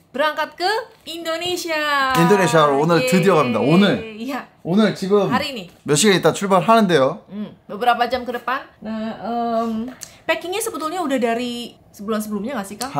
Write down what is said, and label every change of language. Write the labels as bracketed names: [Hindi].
[Indonesian] Berangkat ke Indonesia. [Korean] Indonesia 오늘 드디어 갑니다. 오늘. [English] Yeah. [Korean] 오늘 지금 [Indonesian] hari ini. [Korean] 몇 시간 있다 출발하는데요. [Indonesian] Beberapa jam ke depan. Nah, packing-nya sebetulnya udah dari sebulan sebelumnya enggak sih, Kang?